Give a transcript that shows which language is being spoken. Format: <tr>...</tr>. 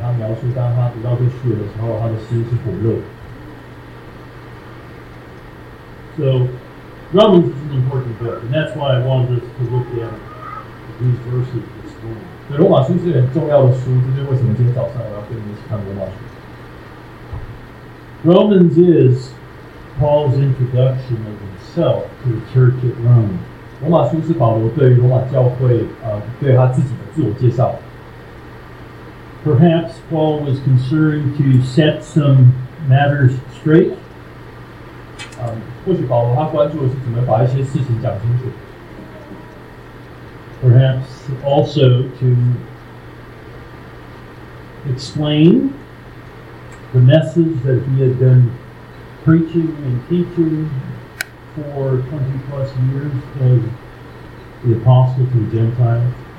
<zh>那这就是他怎么样信主的，他描述当他读到这序的时候，他的心是火热的。</zh> <en>So, Romans is an important book, and that's why I wanted us to look at these verses this morning.</en> <zh>对，罗马书是很重要的书，这就是为什么今天早上我要跟你一起看罗马书。</zh> <en>Romans is Paul's introduction of himself to the church at Rome.</en> <zh>罗马书是保罗对于罗马教会，对他自己的自我介绍。</zh> <en>Perhaps Paul was concerned to set some matters straight.</en> <zh>或许保罗他关注的是怎么把一些事情讲清楚。</zh> <en>Perhaps also to explain the message that he had been preaching and teaching for 20 plus years as the apostle to the Gentiles.</en>